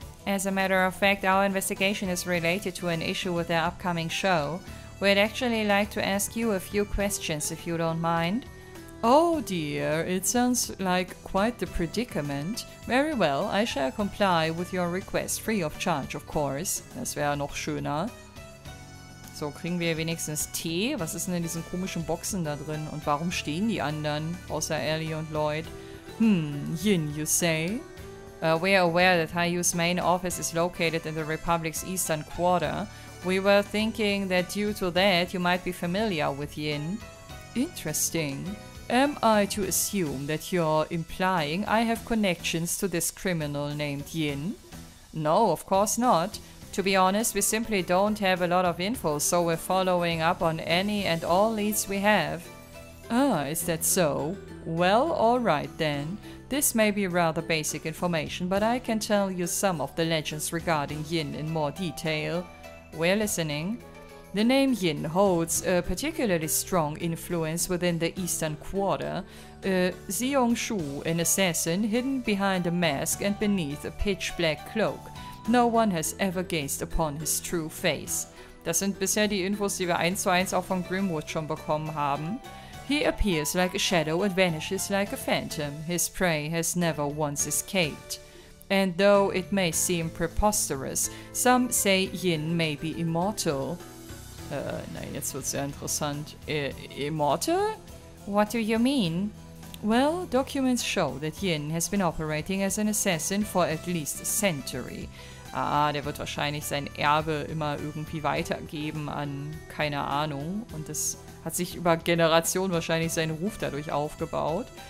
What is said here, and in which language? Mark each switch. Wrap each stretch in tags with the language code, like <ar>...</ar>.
<en>As a matter of fact, our investigation is related to an issue with their upcoming show. We'd actually like to ask you a few questions, if you don't mind. Oh dear, it sounds like quite the predicament. Very well, I shall comply with your request, free of charge, of course.</en> <de>Das wäre noch schöner. So, kriegen wir wenigstens Tee? Was ist denn in diesen komischen Boxen da drin? Und warum stehen die anderen, außer Ellie und Lloyd?</de> <en>Yin, you say? We are aware that Hayu's main office is located in the Republic's eastern quarter. We were thinking that due to that, you might be familiar with Yin. Interesting. Am I to assume that you're implying I have connections to this criminal named Yin? No, of course not. To be honest, we simply don't have a lot of info, so we're following up on any and all leads we have. Ah, is that so? Well, alright then. This may be rather basic information, but I can tell you some of the legends regarding Yin in more detail. We're listening. The name Yin holds a particularly strong influence within the Eastern Quarter. Xiongshu, an assassin hidden behind a mask and beneath a pitch-black cloak. No one has ever gazed upon his true face.</en> <de>Das sind bisher die Infos, die wir 1:1 auch von Grimwood schon bekommen haben.</de> <en>He appears like a shadow and vanishes like a phantom. His prey has never once escaped. And though it may seem preposterous, some say Yin may be immortal.</en> <de>Nein, jetzt wird's sehr interessant.</de> <en>Immortal? What do you mean? Well, documents show that Yin has been operating as an assassin for at least a century.</en> <de>Ah, der wird wahrscheinlich sein Erbe immer irgendwie weitergeben an keine Ahnung. Und es hat sich über Generationen wahrscheinlich seinen Ruf dadurch aufgebaut.</de>